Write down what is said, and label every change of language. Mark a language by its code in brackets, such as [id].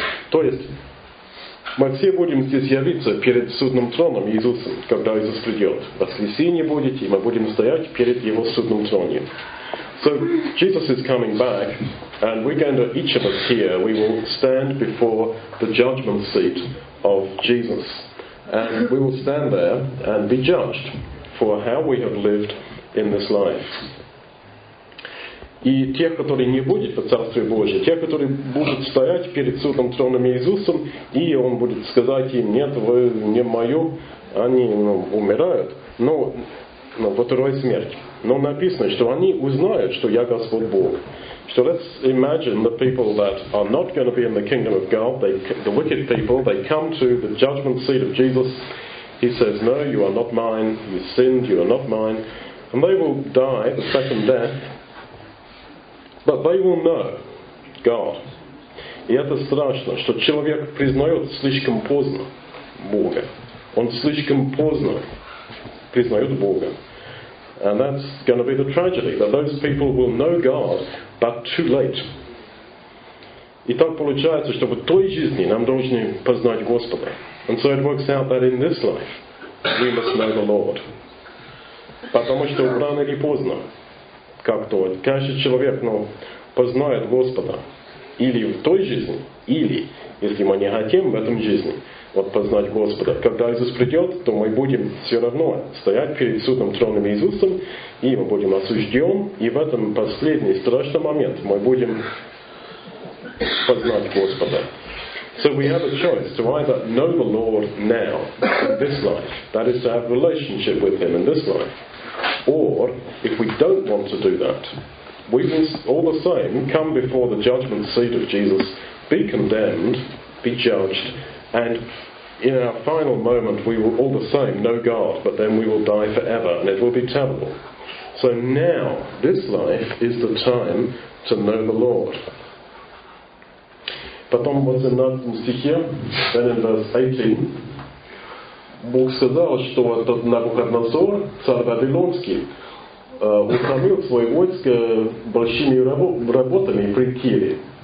[ru] То есть мы все будем здесь явиться перед судным троном Иисусом, когда Иисус придет. Воскресенье будет, и мы будем стоять перед Его судным троном. [en] So Jesus is coming back, and we're going to, each of us here, we will stand before the judgment seat of Jesus. And we will stand there and be judged for how we have lived in this life. [ru] И те, которые не будут в Царстве Божьем, те, которые будут стоять перед судом троном Иисусом, и Он будет сказать им, нет, вы не мое, они умирают, но во второй смерти. Но написано, что они узнают, что я Господь Бог. [en] So let's imagine the people that are not going to be in the kingdom of God, the wicked people, they come to the judgment seat of Jesus. He says, no, you are not mine, you sinned, you are not mine. And they will die the second death, but they will know God. [ru] И это страшно, что человек признает слишком поздно Бога. Он слишком поздно признает Бога. [en] And that's going to be the tragedy, that those people will know God, but too late. [ru] И так получается, что в той жизни нам должны познать Господа. [en] And so it works out that in this life, we must know the Lord. [ru] Потому что рано или поздно, как-то, каждый человек, познает Господа. Или в той жизни, или, если мы не хотим в этом жизни, познать Господа. Когда Иисус придет, то мы будем все равно стоять перед судом троном Иисусом, и мы будем осужден, и в этом последний страшный момент мы будем познать Господа. [en] So we have a choice to either know the Lord now, in this life, that is to have a relationship with Him in this life, or if we don't want to do that, we will all the same come before the judgment seat of Jesus, be condemned, be judged, and In our final moment, we will all the same know God, but then we will die forever, and it will be terrible. So now, this life is the time to know the Lord. [ru] Потом в 18 стихе, [en] then in verse 18, [ru] Бог сказал, что этот Навуходоносор, царь Вавилонский, утомил свой войско большими работами при Кире.